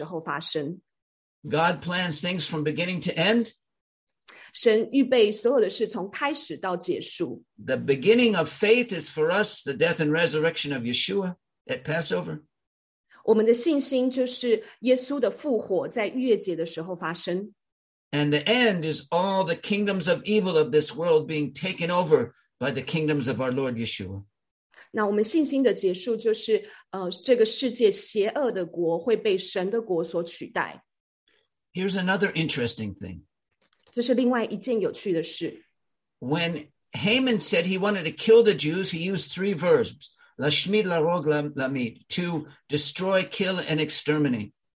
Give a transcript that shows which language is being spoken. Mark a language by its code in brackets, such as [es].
[zh] 所以就非常奇妙的可以观察到，以斯帖的盛宴是在一年最后一个月的月圆的时候发生，逾越节是在第一个月的月圆的时候发生。 [en] God plans things from beginning to end. [zh] 神预备所有的事从开始到结束。 [en] The beginning of faith is for us the death and resurrection of Yeshua at Passover. [zh] 我们的信心就是耶稣的复活在逾越节的时候发生。 [en] And the end is all the kingdoms of evil of this world being taken over by the kingdoms of our Lord Yeshua. [zh] 那我们信心的结束就是这个世界邪恶的国会被神的国所取代。 [en] Here's another interesting thing. [zh] 这是另外一件有趣的事。 [en] When Haman said he wanted to kill the Jews, he used three verbs, Lashmid, Larog, Lamid, to destroy, kill, and exterminate.